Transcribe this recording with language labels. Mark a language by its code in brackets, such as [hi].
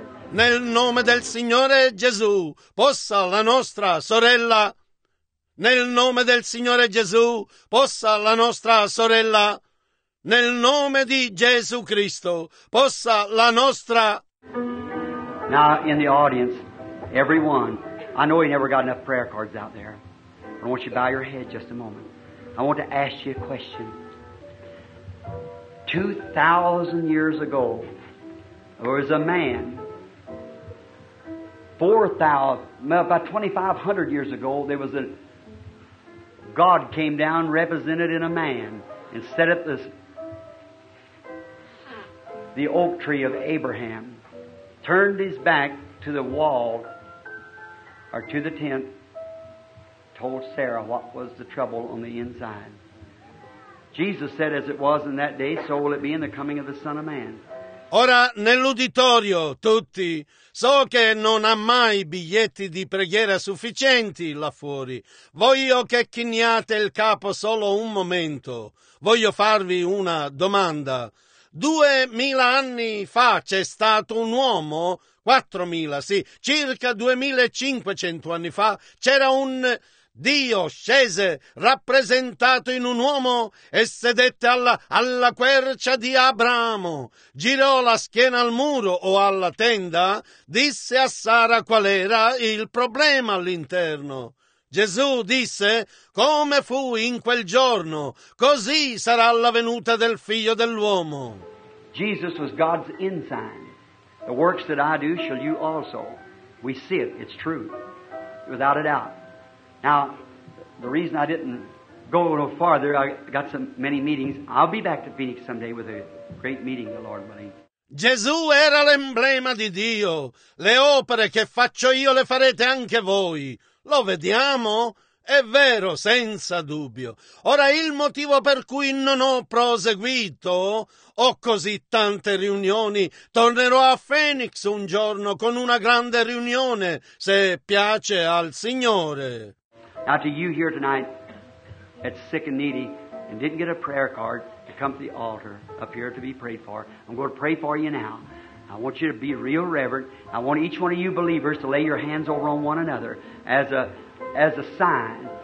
[it] Nel nome del Signore Gesù, possa la nostra sorella. Nel nome del Signore Gesù, possa la nostra sorella. Nel nome di Gesù Cristo, possa la nostra. [en] Now in the audience, everyone, I know you never got enough prayer cards out there. I want you to bow your head just a moment. I want to ask you a question. 2,000 years ago, there was a man. 4,000, about 2,500 years ago, there was a God came down represented in a man and set up the oak tree of Abraham, turned his back to the wall or to the tent, told Sarah what was the trouble on the inside. Jesus said, as it was in that day, so will it be in the coming of the Son of Man. [it] Ora, nell'uditorio, tutti, so che non ha mai biglietti di preghiera sufficienti là fuori. Voglio che chiniate il capo solo un momento. Voglio farvi una domanda. 2000 anni fa c'è stato un uomo, 4000, sì, circa 2500 anni fa, c'era un Dio scese, rappresentato in un uomo, e sedette alla quercia di Abramo. Girò la schiena al muro o alla tenda, disse a Sara qual era il problema all'interno. Gesù disse, come fu in quel giorno, così sarà la venuta del Figlio dell'uomo. [en] Jesus was God's ensign. The works that I do shall you also. We see it, it's true, without a doubt. Now, the reason I didn't go a little farther, I got so many meetings. I'll be back to Phoenix someday with a great meeting, the Lord willing. [it] Gesù era l'emblema di Dio. Le opere che faccio io le farete anche voi. Lo vediamo? È vero, senza dubbio. Ora, il motivo per cui non ho proseguito, ho così tante riunioni. Tornerò a Phoenix un giorno con una grande riunione, se piace al Signore. [en] Now to you here tonight that's sick and needy and didn't get a prayer card to come to the altar up here to be prayed for, I'm going to pray for you now. I want you to be real reverent. I want each one of you believers to lay your hands over on one another as a sign.